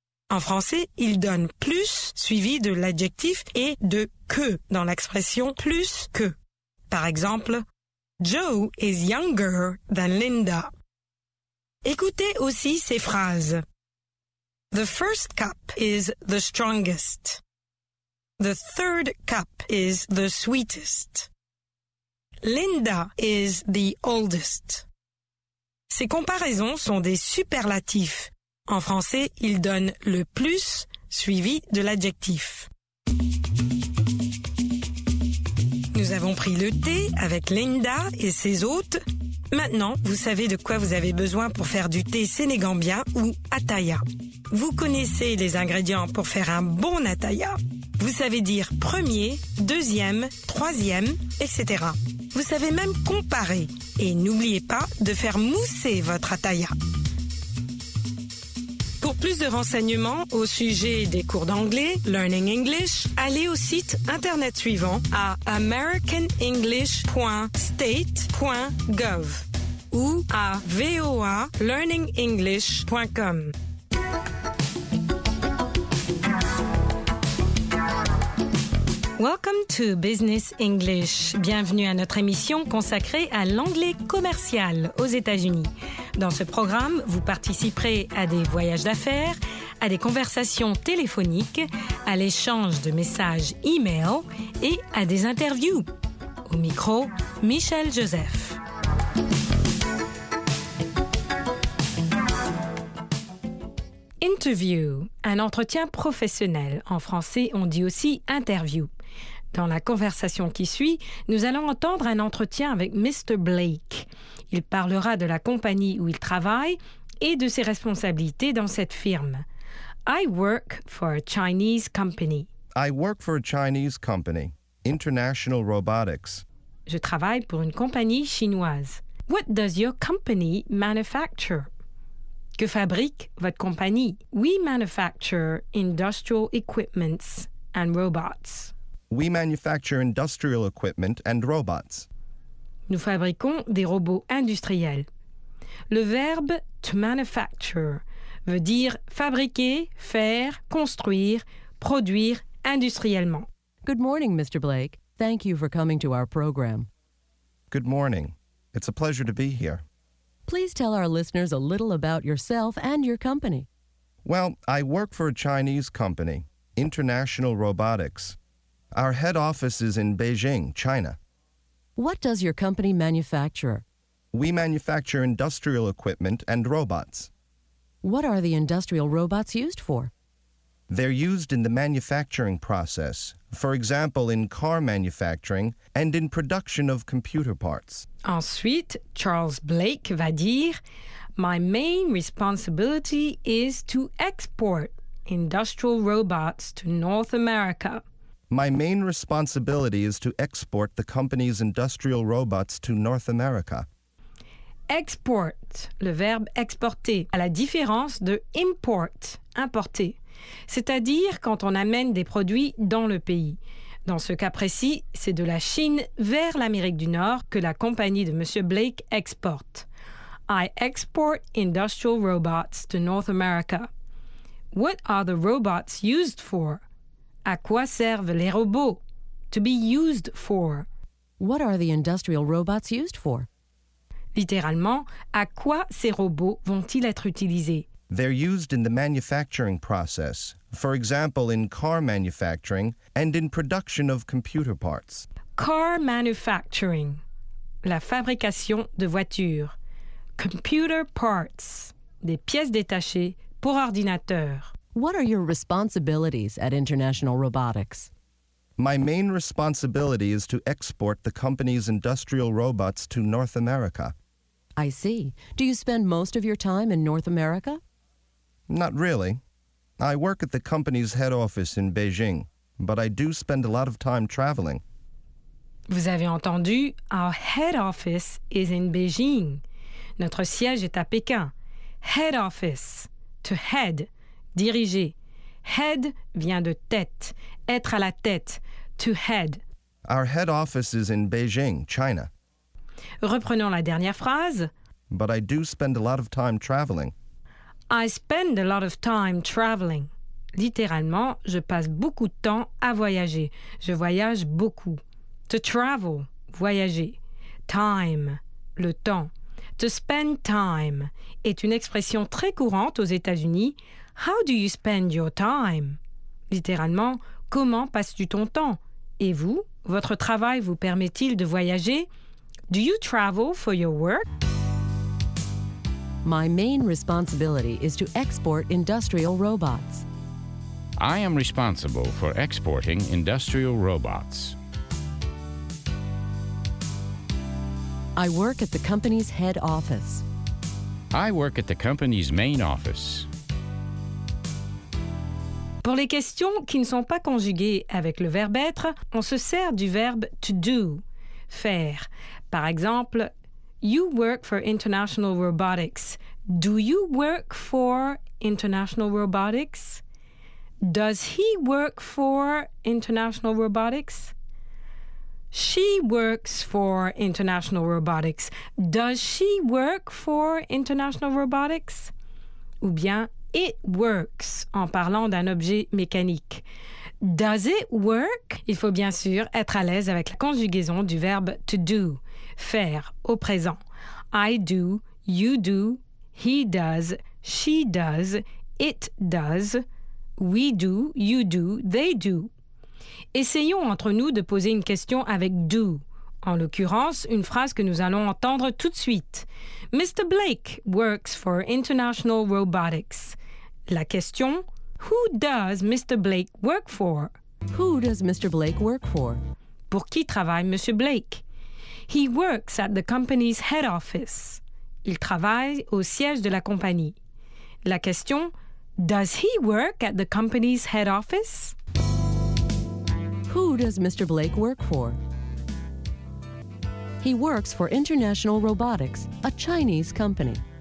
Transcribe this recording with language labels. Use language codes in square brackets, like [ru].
[fr] En français, il donne « plus » suivi de l'adjectif et de « que » dans l'expression « plus que ». Par exemple, [en] « Joe is younger than Linda ». [fr] Écoutez aussi ces phrases. [en] « The first cup is the strongest ». The third cup is the sweetest. Linda is the oldest. [fr] Ces comparaisons sont des superlatifs. En français, ils donnent le plus suivi de l'adjectif. Nous avons pris le thé avec Linda et ses hôtes. Maintenant, vous savez de quoi vous avez besoin pour faire du thé sénégambien ou ataya. Vous connaissez les ingrédients pour faire un bon ataya. Vous savez dire premier, deuxième, troisième, etc. Vous savez même comparer. Et n'oubliez pas de faire mousser votre ataya. Pour plus de renseignements au sujet des cours d'anglais, Learning English, allez au site internet suivant à americanenglish.state.gov ou à voalearningenglish.com. [en] Welcome to Business English. [fr] Bienvenue à notre émission consacrée à l'anglais commercial aux États-Unis. Dans ce programme, vous participerez à des voyages d'affaires, à des conversations téléphoniques, à l'échange de messages e-mail et à des interviews. Au micro, Michel Joseph. Interview, un entretien professionnel. En français, on dit aussi interview. Dans la conversation qui suit, nous allons entendre un entretien avec Mr. Blake. Il parlera de la compagnie où il travaille et de ses responsabilités dans cette firme. [en] I work for a Chinese company. I work for a Chinese company, International Robotics. [fr] Je travaille pour une compagnie chinoise. [en] What does your company manufacture? [fr] Que fabrique votre compagnie? [en] We manufacture industrial equipments and robots. We manufacture industrial equipment and robots. [fr] Nous fabriquons des robots industriels. Le verbe to manufacture veut dire fabriquer, faire, construire, produire industriellement. [en] Good morning, Mr. Blake. Thank you for coming to our program. Good morning. It's a pleasure to be here. Please tell our listeners a little about yourself and your company. Well, I work for a Chinese company, International Robotics. Our head office is in Beijing, China. What does your company manufacture? We manufacture industrial equipment and robots. What are the industrial robots used for? They're used in the manufacturing process, for example, in car manufacturing and in production of computer parts. [fr] Ensuite, Charles Blake va dire, [en] My main responsibility is to export industrial robots to North America. My main responsibility is to export the company's industrial robots to North America. [fr] Export, le verbe exporter, à la différence de import, importer. C'est-à-dire quand on amène des produits dans le pays. Dans ce cas précis, c'est de la Chine vers l'Amérique du Nord que la compagnie de M. Blake exporte. [en] I export industrial robots to North America. What are the robots used for? [fr] À quoi servent les robots? [en] To be used for. What are the industrial robots used for? [fr] Littéralement, à quoi ces robots vont-ils être utilisés? [en] They're used in the manufacturing process, for example, in car manufacturing and in production of computer parts. Car manufacturing, [fr] la fabrication de voitures. [en] Computer parts, [fr] des pièces détachées pour ordinateur. [en] What are your responsibilities at International Robotics? My main responsibility is to export the company's industrial robots to North America. I see. Do you spend most of your time in North America? Not really. I work at the company's head office in Beijing, but I do spend a lot of time traveling. [fr] Vous avez entendu, [en] our head office is in Beijing. [fr] Notre siège est à Pékin. [en] Head office, to head, [fr] diriger. Head vient de tête, être à la tête, [en] to head. Our head office is in Beijing, China. [fr] Reprenons la dernière phrase. [en] But I do spend a lot of time traveling. I spend a lot of time traveling. [fr] Littéralement, je passe beaucoup de temps à voyager. Je voyage beaucoup. [en] To travel, [fr] voyager. [en] Time, [fr] le temps. [en] To spend time [fr] est une expression très courante aux États-Unis. [en] How do you spend your time? [fr] Littéralement, comment passes-tu ton temps? Et vous, votre travail vous permet-il de voyager? [en] Do you travel for your work? My main responsibility is to export industrial robots. I am responsible for exporting industrial robots. I work at the company's head office. I work at the company's main office. [fr] Pour les questions qui ne sont pas conjuguées avec le verbe être, on se sert du verbe to do, faire. Par exemple, [en] you work for International Robotics. Do you work for International Robotics? Does he work for International Robotics? She works for International Robotics. Does she work for International Robotics? [fr] Ou bien, [en] it works, [fr] en parlant d'un objet mécanique. [en] Does it work? [fr] Il faut bien sûr être à l'aise avec la conjugaison du verbe to do, faire, au présent. [en] I do, you do, he does, she does, it does, we do, you do, they do. [fr] Essayons entre nous de poser une question avec « do ». En l'occurrence, une phrase que nous allons entendre tout de suite. [en] « Mr. Blake works for International Robotics ». [fr] La question [en] « Who does Mr. Blake work for ?»« Who does Mr. Blake work for ?» [fr] Pour qui travaille Monsieur Blake [en] ?« He works at the company's head office ». [fr] Il travaille au siège de la compagnie. La question [en] « Does he work at the company's head office ?» Who does Mr. Blake work for? He works for International Robotics, a Chinese company.